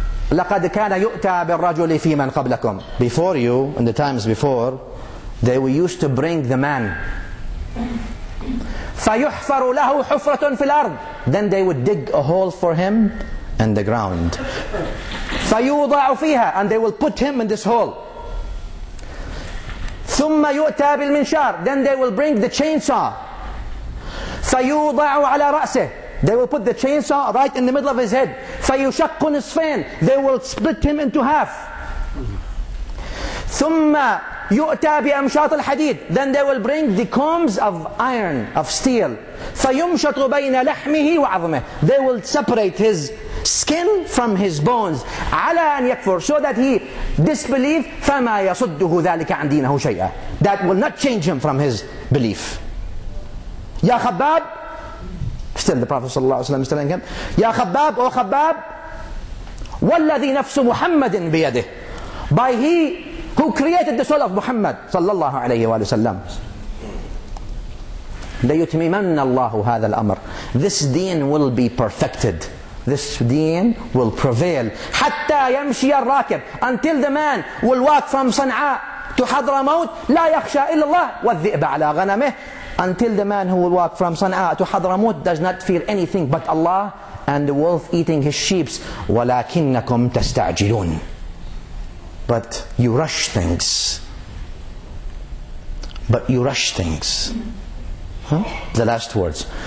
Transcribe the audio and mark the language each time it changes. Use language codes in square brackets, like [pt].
[ar] لقد كان يؤتى بالرجل في من قبلكم. [en] Before you, in the times before, they used to bring the man. [ar] فيحفر له حفرة في الأرض. [en] Then they would dig a hole for him in the ground. [ar] فيوضع فيها. [en] And they will put him in this hole. [ar] ثم يؤتى بالمنشار. [en] Then they will bring the chainsaw. [ar] فيوضع على رأسه. [en] They will put the chainsaw right in the middle of his head. [ar] فيشق نصفين. [en] They will split him into half. [ar] ثم يؤتى بأمشاط الحديد. [en] Then they will bring the combs of iron, of steel. [ar] فيمشط بين لحمه وعظمه. [en] They will separate his skin from his bones. [ar] على أن يكفر. [en] So that he disbelieve. [ar] فما يصده ذلك عن دينه شيئا. [en] That will not change him from his belief. [ar] يا خباب. [en] Still the Prophet صلى الله عليه وسلم is telling him. [ar] يا خباب. أو خباب. والذي نفس محمد بيده. [en] By he who created the soul of Muhammad صلى الله عليه وآله وسلم. [ar] ليتممن الله هذا الأمر. [en] This deen will be perfected. This deen will prevail. [ar] حتى يمشي الراكب. [en] Until the man will walk from صنعاء to حضرموت [ar] لا يخشى إلا الله والذئب على غنمه. [en] Until the man who will walk from صنعاء to حضرموت does not fear anything but Allah and the wolf eating his sheep. [ar] ولكنكم تستعجلون. [en] But you rush things. But you rush things. The last words.